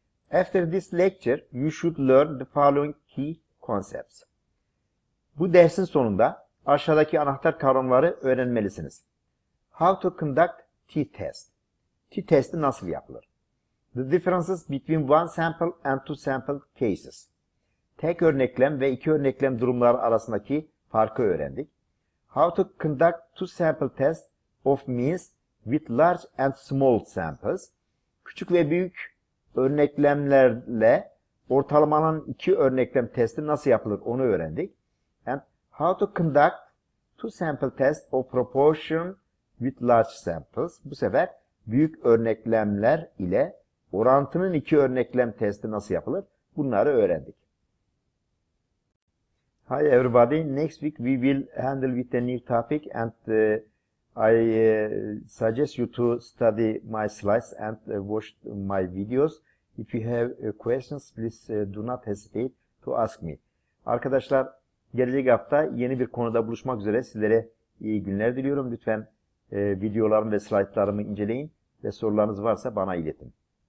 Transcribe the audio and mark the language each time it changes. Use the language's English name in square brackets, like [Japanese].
[English] After this lecture, you should learn the following key concepts. [Turkish] Bu dersin sonunda aşağıdaki anahtar kavramları öğrenmelisiniz. [English] How to conduct t-test. [Turkish] T-testi nasıl yapılır? [English] The differences between one sample and two sample cases. [Turkish] Tek örneklem ve iki örneklem durumları arasındaki farkı öğrendik. [English] How to conduct two sample tests of means with large and small samples. [Turkish] Küçük ve büyük örneklemlerle ortalamanın iki örneklem testi nasıl yapılır onu öğrendik. [English] And how to conduct two sample tests of proportion with large samples. [Turkish] Bu sefer büyük örneklemler ile orantının iki örneklem testi nasıl yapılır? Bunları öğrendik. [English] Hi everybody. Next week we will handle with a new topic and I suggest you to study my slides and watch my videos. If you have questions, please do not hesitate to ask me. [Turkish] Arkadaşlar, gelecek hafta yeni bir konuda buluşmak üzere sizlere iyi günler diliyorum. Lütfen videolarımı ve slaytlarımı inceleyin ve sorularınız varsa bana iletin.